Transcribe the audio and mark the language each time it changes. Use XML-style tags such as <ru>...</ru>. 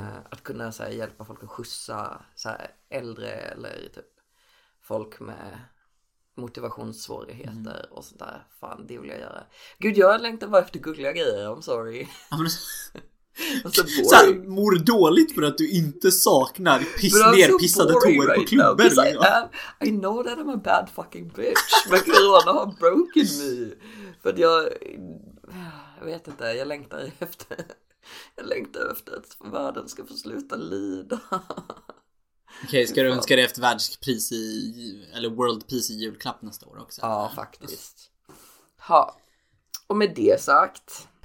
<sv>Att kunna så här, hjälpa folk att skjutsa så här, äldre eller typ folk med motivationssvårigheter och sånt där. Fan, det vill jag göra. Gud, jag längtar bara efter gulliga grejer,</sv> <en>I'm sorry.</en> <sv>Så här, mår dåligt för att du inte saknar pissade toer på klubben.</sv> <en>I know that I'm a bad fucking bitch.</en> <sv>Men corona har</sv> <en>broken me.</en> <sv>För att jag, jag vet inte, jag längtar efter, jag längtar efter att världen ska få sluta lida. Okej, ska du önska dig efter världspris i, eller</sv> <en>world peace</en> <sv>i julklapp nästa år också? Ja, faktiskt. Ja. Och med det sagt,</sv>